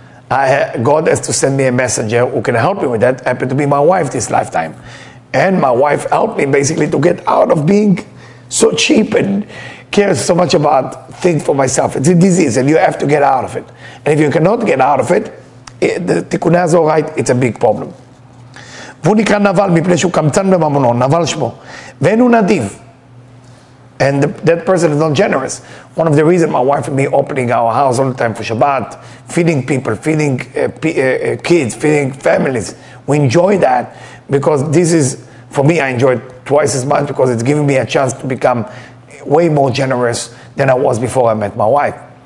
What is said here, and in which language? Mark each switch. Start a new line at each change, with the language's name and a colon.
English: God has to send me a messenger who can help me with that. Happened to be my wife this lifetime. And my wife helped me basically to get out of being so cheap and cares so much about things for myself. It's a disease and you have to get out of it. And if you cannot get out of it, the Tikkun HaZohar, right, it's a big problem.
Hebrew: והוא נקרא נבל מפני שהוא קמצן בממונו, נבל שמו. ואין הוא נדיב.
English: And that person is not generous. One of the reasons my wife and me opening our house all the time for Shabbat, feeding people, feeding kids, feeding families. We enjoy that because this is, for me, I enjoy it twice as much because it's giving me a chance to become way more generous than I was before I met my wife.